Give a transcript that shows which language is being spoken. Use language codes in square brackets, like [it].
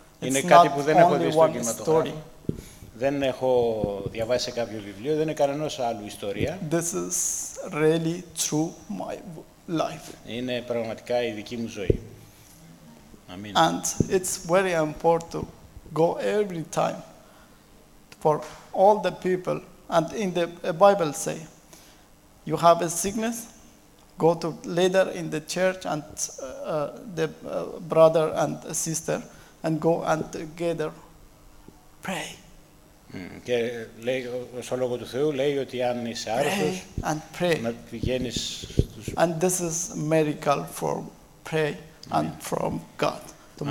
[el] Είναι κάτι που δεν έχω δει στο κινηματογράφο. Δεν έχω διαβάσει κάποιο βιβλίο. Δεν είναι κανένας άλλου ιστορία. [en] This is really true my life. [el] Είναι πραγματικά η δική μου ζωή. [en] And it's very important to go every time for all the people. And in the Bible say, you have a sickness, go to later in the church and the brother and sister and go and together pray. [el] Και λέει στο λόγο του Θεού λέει ότι αν είσαι άρρωστος να πηγαίνεις στους... [en] And this is miracle for pray and from God to Amen.